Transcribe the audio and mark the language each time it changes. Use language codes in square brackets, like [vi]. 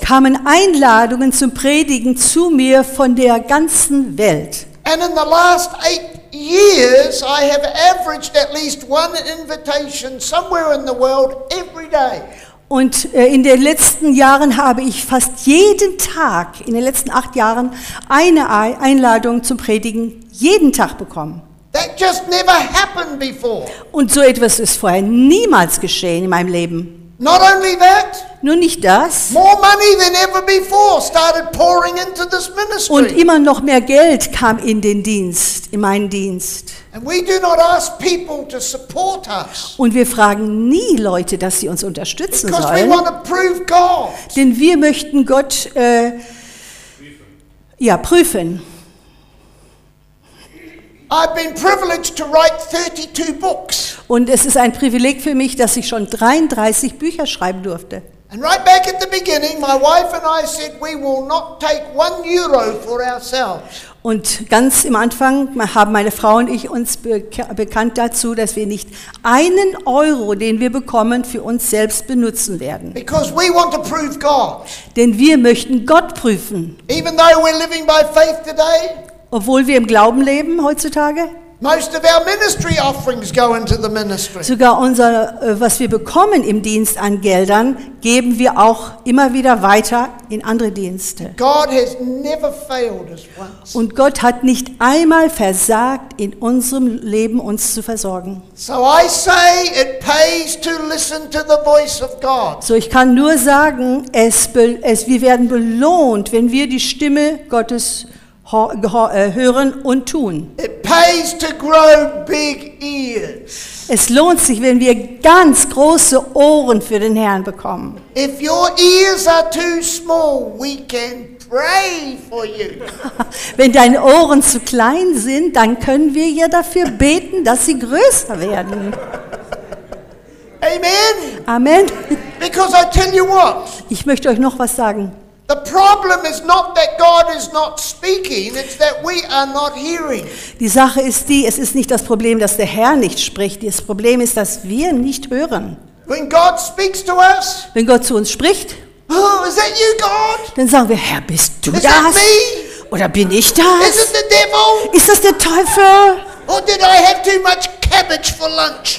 [de] Kamen Einladungen zum Predigen zu mir von der ganzen Welt. [en] And in the last 8 years I have averaged at least one invitation somewhere in the world every day. [de] Und in den letzten Jahren habe ich fast jeden Tag, in den letzten 8 Jahren, eine Einladung zum Predigen jeden Tag bekommen. [en] That just never happened before. [de] Und so etwas ist vorher niemals geschehen in meinem Leben. [en] Not only that, [de] nur nicht das. [en] More money than ever before started pouring into this ministry. [de] Und immer noch mehr Geld kam in den Dienst, in meinen Dienst. [en] And we do not ask people to support us. [de] Und wir fragen nie Leute, dass sie uns unterstützen sollen. [en] Because we want to prove God. [de] Denn wir möchten Gott prüfen. [en] I've been privileged to write 32 books. [de] Und es ist ein Privileg für mich, dass ich schon 33 Bücher schreiben durfte. [en] And right back at the beginning, my wife and I said we will not take 1 euro for ourselves. [de] Und ganz im Anfang haben meine Frau und ich uns bekannt dazu, dass wir nicht einen Euro, den wir bekommen, für uns selbst benutzen werden. [en] Because we want to prove God. [de] Denn wir möchten Gott prüfen. [en] Even though we're living by faith today. [de] Obwohl wir im Glauben leben heutzutage. [en] Most of our ministry offerings go into the ministry. [de] Sogar unser, was wir bekommen im Dienst an Geldern, geben wir auch immer wieder weiter in andere Dienste. [en] God has never failed us once. [de] Und Gott hat nicht einmal versagt, in unserem Leben uns zu versorgen. [en] So I say it pays to listen to the voice of God. [de] So ich kann nur sagen, wir werden belohnt, wenn wir die Stimme Gottes hören und tun. [en] It pays to grow big ears. [de] Es lohnt sich, wenn wir ganz große Ohren für den Herrn bekommen. [en] If your ears are too small, we can pray for you. [de] Wenn deine Ohren zu klein sind, dann können wir ja dafür beten, dass sie größer werden. [en] Amen. [de] Amen. [en] Because I tell you what. [de] Ich möchte euch noch was sagen. [en] The problem is not that God is not speaking, it's that we are not hearing. [de] Die Sache ist die, es ist nicht das Problem, dass der Herr nicht spricht, das Problem ist, dass wir nicht hören. [en] When God speaks to us, [de] wenn Gott zu uns spricht, [en] oh, is that you, God? [de] Dann sagen wir, Herr, bist du [en] is [de] das? [en] That me? [de] Oder bin ich das? [en] Is it the devil? [de] Ist das der Teufel? [en] Or did I have too much cabbage for lunch?